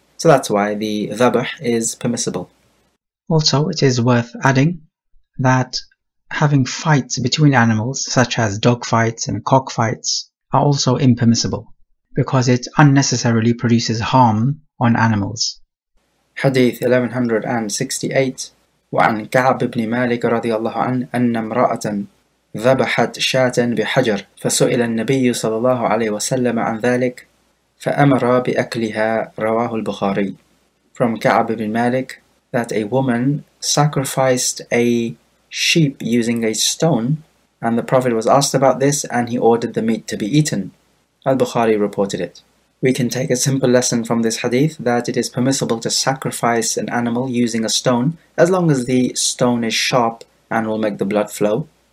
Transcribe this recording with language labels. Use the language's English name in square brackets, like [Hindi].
[English] So that's why the dhabh is permissible. Also, it is worth adding that having fights between animals, such as dog fights and cock fights, are also impermissible because it unnecessarily produces harm on animals. Hadith 1168, [Arabic] وعن كعب بن مالك رضي الله عنه أن امرأة ذبحت شاة بحجر فسئل النبي صلى الله عليه وسلم عن ذلك فأمر بأكلها رواه البخاري. [English] From كعب بن مالك, that a woman sacrificed a sheep using a stone, and the Prophet was asked about this and he ordered the meat to be eaten. Al-Bukhari reported it. We can take a simple lesson from this hadith that it is permissible to sacrifice an animal using a stone as long as the stone is sharp and will make the blood flow.